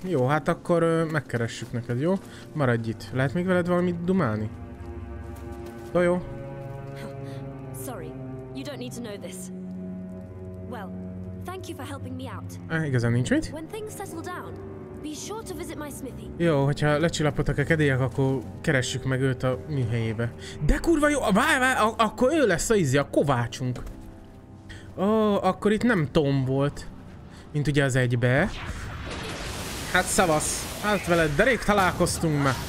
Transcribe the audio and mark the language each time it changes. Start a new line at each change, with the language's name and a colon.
Hungarian: Jó, hát akkor megkeressük neked, jó? Maradj itt. Lehet még veled valamit dumálni? Toyo.
English: Sorry, you don't need to know this. Well, thank you for helping me out.
Hungarian: Igazán nincs mit?
English: When things settle down, be sure to visit my smithy.
Hungarian: Jó, hogyha lecsillapodtak a kedélyek, akkor keressük meg őt a mi helyébe. De kurva jó, várj, akkor ő lesz a izzi, a kovácsunk. Ó, akkor itt nem Tom volt. Mint ugye az egybe. Hát szavasz, hát veled, de rég találkoztunk már.